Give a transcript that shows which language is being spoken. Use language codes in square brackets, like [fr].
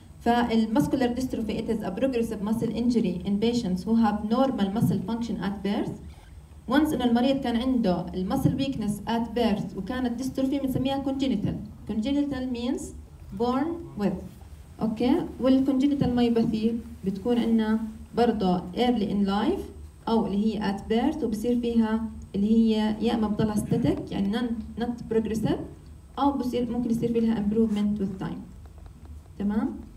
[en] فالمسكولر dystrophy it is a progressive muscle injury in patients who have normal muscle function at birth. [ar] once إن المريض كان عنده المسل [en] weakness at birth [ar] وكانت ديستروفي بنسميها congenital. [en] congenital means born with. [ar] okay والcongenital myopathy بتكون عندنا برضه [en] early in life [ar] أو اللي هي at birth وبصير فيها اللي هي يا ما بضلها static يعني [en] not progressive [ar] أو بصير ممكن يصير فيها [en] improvement with time. [ar] تمام.